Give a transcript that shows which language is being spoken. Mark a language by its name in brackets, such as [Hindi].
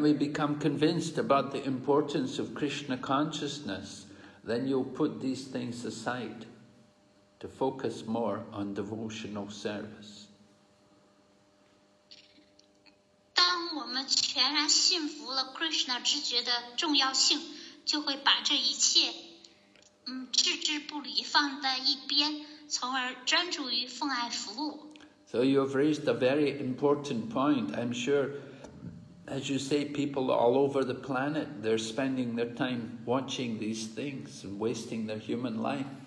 [English] we become convinced about the importance of Krishna consciousness. Then you'll put these things aside to focus more on devotional service. [Chinese] 当我们全然信服了 Krishna 知觉的重要性，就会把这一切，置之不理，放在一边，从而专注于奉爱服务。So [English] you have raised a very important point, I'm sure. As you say, people all over the planet, they're spending their time watching these things and wasting their human life.